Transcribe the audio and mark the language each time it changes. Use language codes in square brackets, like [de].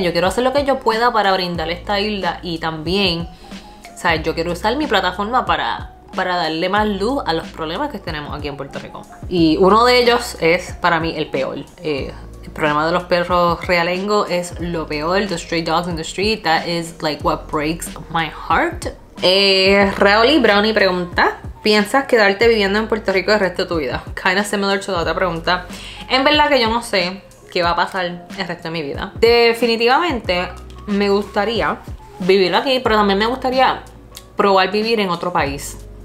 [es] Yo quiero hacer lo que yo pueda para brindar esta isla. Y también, o sea, yo quiero usar mi plataforma para darle más luz a los problemas que tenemos aquí en Puerto Rico. Y uno de ellos es, para mí, el peor. El problema de los perros realengos es lo peor. [en] The stray dogs in the street, that is like what breaks my heart. [es] Raoli Brownie pregunta, ¿piensas quedarte viviendo en Puerto Rico el resto de tu vida? [en] Kind of similar to [es] la otra pregunta. En verdad que yo no sé qué va a pasar el resto de mi vida. Definitivamente me gustaría vivir aquí, pero también me gustaría probar vivir en otro país.